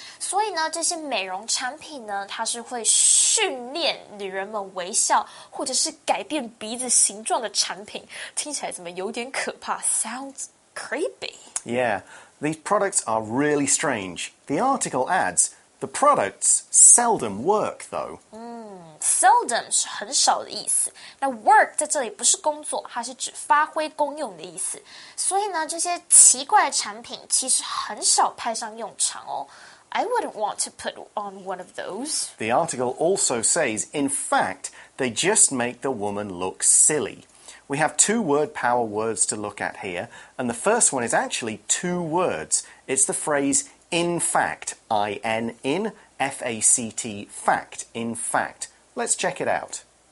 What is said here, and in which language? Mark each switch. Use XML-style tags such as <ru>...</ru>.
<zh>所以呢，这些美容产品呢，它是会训练女人们微笑或者是改变鼻子形状的产品，听起来怎么有点可怕 ？</zh> <en>Sounds creepy. Yeah, these products are really strange. The article adds, the products seldom work, though.</en> <zh>Seldom 是很少的意思。那 work 在这里不是工作，它是指发挥功用的意思。所以呢，这些奇怪的产品其实很少派上用场哦。</zh> <en>I wouldn't want to put on one of those. The article also says, in fact, they just make the woman look silly. We have two word power words to look at here, and the first one is actually two words. It's the phrase, in fact, I-N-in, F-A-C-T, fact, in fact. Let's check it out.</en>